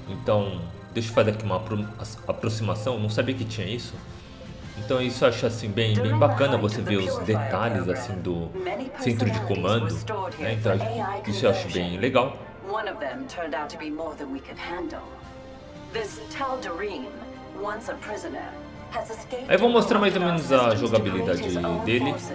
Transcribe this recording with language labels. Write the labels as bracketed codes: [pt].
[pt] Então, deixa eu fazer aqui uma aproximação, não sabia que tinha isso. Então isso eu acho assim bem bacana, você ver os detalhes assim do centro de comando, né? Então isso eu acho bem legal. [en] One of them turned out to be more than we could handle. This Tal'Darin, once a prisoner, has escaped. [pt] Aí vou mostrar mais ou menos a jogabilidade dele.